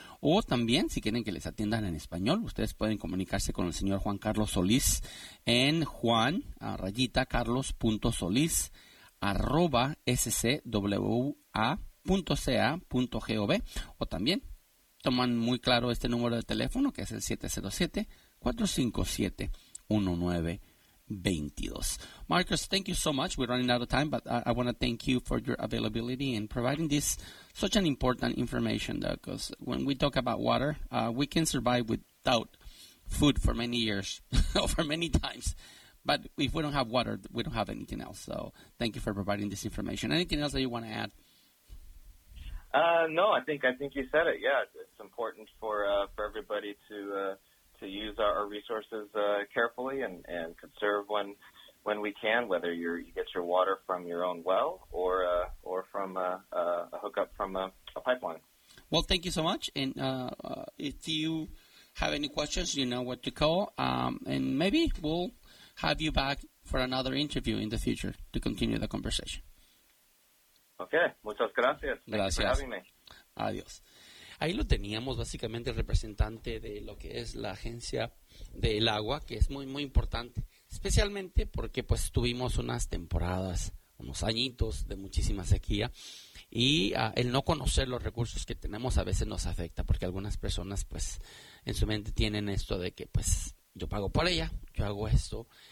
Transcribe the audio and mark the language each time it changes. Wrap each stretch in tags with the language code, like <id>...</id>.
<es>O también, si quieren que les atiendan en español, ustedes pueden comunicarse con el señor Juan Carlos Solís en juan.carlos.solis@scwa.ca.gov. O también toman muy claro este número de teléfono, que es el 707-457-1922.</es> <en>Marcos, thank you so much. We're running out of time, but I want to thank you for your availability and providing this such an important information, though, because when we talk about water, we can survive without food for many years, for many times. But if we don't have water, we don't have anything else. So thank you for providing this information. Anything else that you want to add? No, I think you said it. Yeah, it's important for everybody to use our resources carefully and conserve when we can, whether you get your water from your own well or from a hookup from a pipeline. Well, thank you so much. And if you have any questions, you know what to call. And maybe we'll have you back for another interview in the future to continue the conversation.</en> <es>Okay. Muchas gracias. Gracias.</es> <en>Thank you for having me.</en> <es>Adiós. Ahí lo teníamos, básicamente, el representante de lo que es la agencia del agua, que es muy, muy importante, especialmente porque pues tuvimos unas temporadas, unos añitos de muchísima sequía, y el no conocer los recursos que tenemos a veces nos afecta, porque algunas personas pues en su mente tienen esto de que pues yo pago por ella, yo hago esto,</es>